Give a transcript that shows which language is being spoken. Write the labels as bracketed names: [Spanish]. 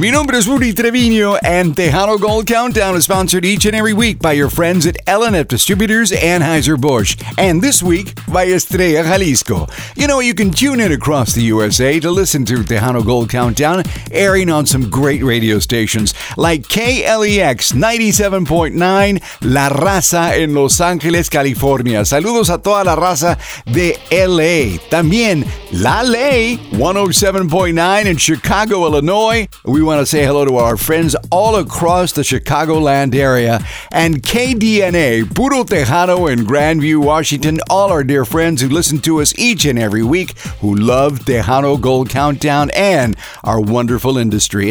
[Spanish] Mi nombre es [English] Rudy Trevino, and Tejano Gold Countdown is sponsored each and every week by your friends at L&F Distributors, Anheuser-Busch, and this week by Estrella Jalisco. You know, you can tune in across the USA to listen to Tejano Gold Countdown, airing on some great radio stations like KLEX 97.9, La Raza in Los Angeles, California. [Spanish] Saludos a toda la raza de L.A. También La Ley 107.9 in Chicago, Illinois. [English] We want to say hello to our friends all across the Chicagoland area. And KDNA, Puro Tejano in Grandview, Washington. All our dear friends who listen to us each and every week who love Tejano Gold Countdown and our wonderful industry.